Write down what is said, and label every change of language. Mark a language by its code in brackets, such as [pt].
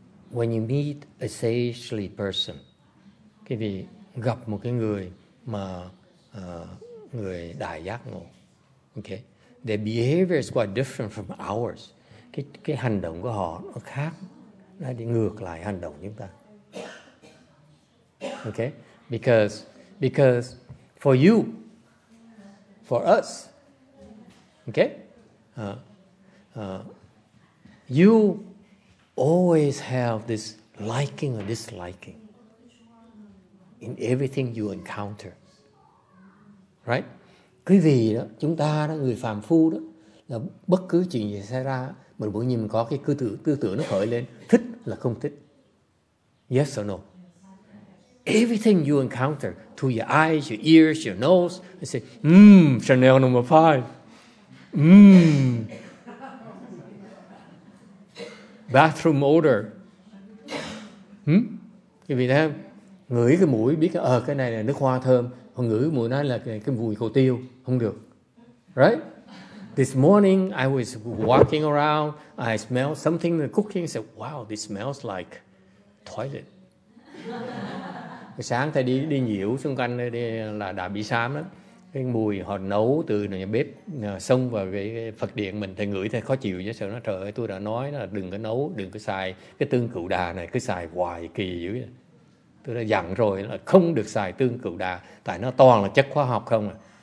[en] It's because when you meet a sagely person, [vi] cái vị gặp một cái người mà người đại giác ngộ, okay, [en] their behavior is quite different from ours. [vi] Cái hành động của họ nó khác, nó đi ngược lại hành động chúng ta, okay. [en] Because for you, for us, okay, you always have this liking or disliking in everything you encounter, right? [vi] Quý vị đó, chúng ta đó, người phàm phu đó, là bất cứ chuyện gì xảy ra, mình bỗng nhiên mình có cái tư tưởng nó khởi lên, thích là không thích, [en] yes or no? Everything you encounter to your eyes, your ears, your nose, you say, mmm, Chanel number 5. Mmm. Bathroom odor. [vi] Cái vị thấy không? Ngửi cái mũi biết cái này là nước hoa thơm, còn ngửi mũi nó là cái mùi cầu tiêu. Không được. Right? [en] This morning, I was walking around, I smelled something in the cooking, I said, wow, this smells like toilet. [vi] Sáng thầy đi nhiễu xung quanh đây là đã bị xám lắm. Cái mùi họ nấu từ nhà bếp xông vào cái Phật điện mình, thầy ngửi thầy khó chịu chứ sợ nó, trời ơi, tôi đã nói là đừng có nấu, đừng có xài cái tương cựu đà này, cứ xài hoài kỳ dữ. Tôi đã dặn rồi là không được xài tương cựu đà, tại nó toàn là chất hóa học không à.